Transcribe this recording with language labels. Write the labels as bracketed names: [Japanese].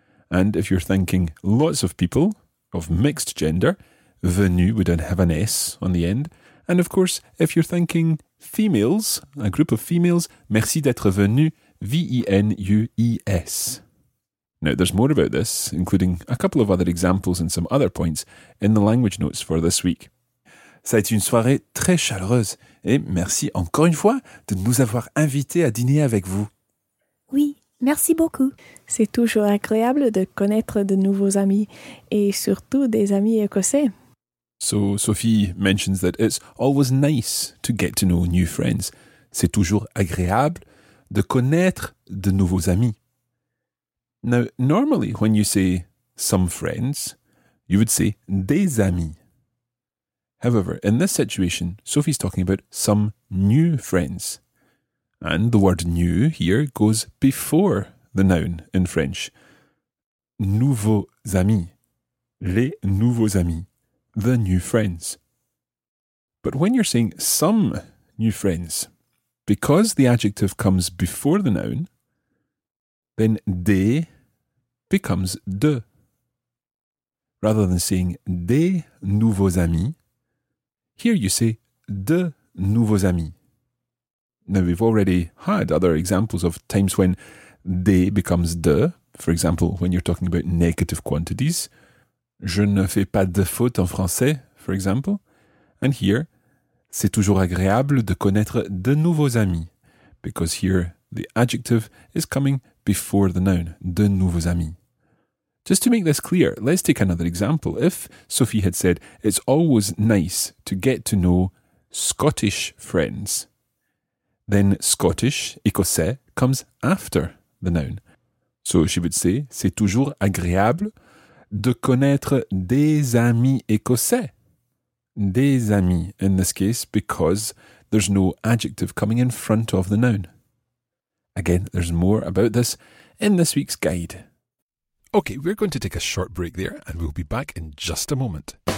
[English] And if you're thanking lots of people of mixed gender, venu would have an S on the end. And of course, if you're thanking females, a group of females, [French] merci d'être venu, [English] V-E-N-U-E-S. Now, there's more about this, including a couple of other examples and some other points in the language notes for this week. [French] Ça a été une soirée très chaleureuse et merci encore une fois de nous avoir invités à dîner avec vous. Oui, merci beaucoup. C'est toujours agréable de connaître de nouveaux amis et surtout des amis écossais. [English] So Sophie mentions that it's always nice to get to know new friends. [French] C'est toujours agréable de connaître de nouveaux amis. [English] Now, normally when you say some friends, you would say des amis. However, in this situation, Sophie's talking about some new friends. And the word new here goes before the noun in French. [French] Nouveaux amis. Les nouveaux amis. [English] The new friends. But when you're saying some new friends, because the adjective comes before the noun, then des becomes de. Rather than saying [French] des nouveaux amis, [English] here you say [French] de nouveaux amis. [English] Now we've already had other examples of times when des becomes de. For example, when you're talking about negative quantities. [French] Je ne fais pas de faute en français, [English] for example. And here, [French] c'est toujours agréable de connaître de nouveaux amis. [English] Because here, the adjective is coming before the noun, [French] de nouveaux amis. [English] Just to make this clear, let's take another example. If Sophie had said, it's always nice to get to know Scottish friends, then Scottish, écossais, comes after the noun. So she would say, [French] c'est toujours agréable de connaître des amis écossais. [English] Des amis, in this case, because there's no adjective coming in front of the noun. Again, there's more about this in this week's guide. Okay, we're going to take a short break there and we'll be back in just a moment.